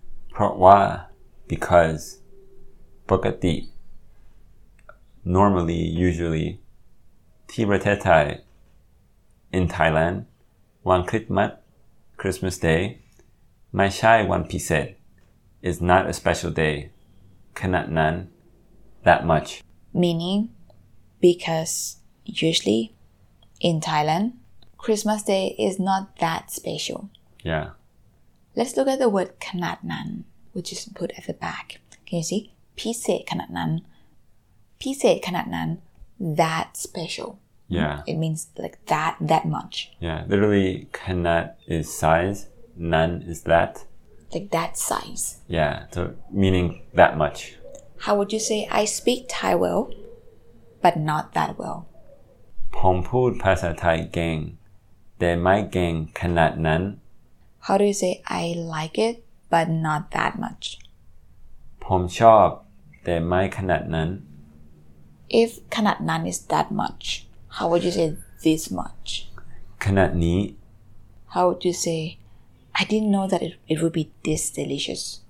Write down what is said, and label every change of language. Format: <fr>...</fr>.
<en>เพราะว่า because ปกติ normally usually ที่ประเทศไทย in Thailand วันคริสต์มาส Christmas Day ไม่ใช่วันพิเศษ is not a special day ขนาดนั้น that much meaning because usually in Thailand Christmas Day is not that special yeah let's look at the word ขนาดนั้น which is put at the back can you see?</en> <th>พิเศษขนาดนั้นพิเศษขนาดนั้น that special</th> <en>yeah it means like that much yeah literally ขนาด is size นั้น is that like that size yeah so meaning that much how would you say I speak Thai well but not that well</en> <th>ผมพูดภาษาไทยเก่งแต่ไม่เก่งขนาดนั้น</th> <en>how do you say I like it but not that much</en> <th>ผมชอบแต่ไม่ขนาดนั้น</th> <en>If ขนาดนั้น is that much How would you say this much?</en> <th>ขนาดนี้</th> <en>How would you say I didn't know that it would be this delicious</en>